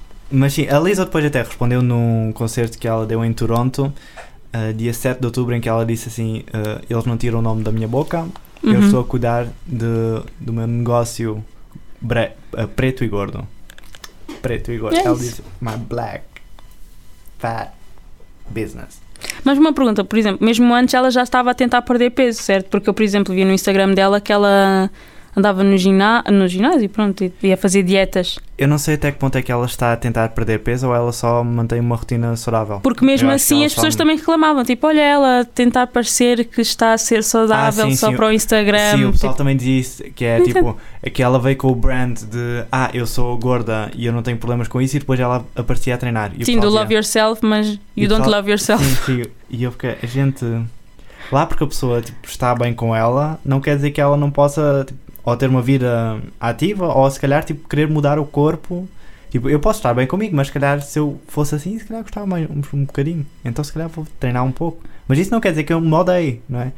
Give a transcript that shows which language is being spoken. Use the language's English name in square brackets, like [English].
[Portuguese] Mas sim, a Lizzo depois até respondeu num concerto que ela deu em Toronto, dia 7 de outubro, em que ela disse assim: eles não tiram o nome da minha boca, uhum. Eu estou a cuidar do meu negócio preto e gordo. Preto e gordo. É, ela disse: [English] my black fat business. [Portuguese] Mas uma pergunta, por exemplo, mesmo antes ela já estava a tentar perder peso, certo? Porque eu, por exemplo, vi no Instagram dela que ela andava no ginásio, pronto, ia fazer dietas. Eu não sei até que ponto é que ela está a tentar perder peso ou ela só mantém uma rotina saudável. Porque mesmo assim as pessoas também reclamavam, tipo, olha ela tentar parecer que está a ser saudável para o Instagram. Sim, o pessoal também disse que é tipo, é que ela veio com o brand de, eu sou gorda e eu não tenho problemas com isso, e depois ela aparecia a treinar. E [English] sim, do love yourself, mas you don't love yourself. [Portuguese] Sim, e eu fiquei, a gente... Lá porque a pessoa tipo, está bem com ela, não quer dizer que ela não possa... Tipo, ou ter uma vida ativa, ou se calhar tipo, querer mudar o corpo. Tipo, eu posso estar bem comigo, mas se calhar se eu fosse assim, se calhar gostava mais um bocadinho. Então se calhar vou treinar um pouco. Mas isso não quer dizer que eu me odeie, não é?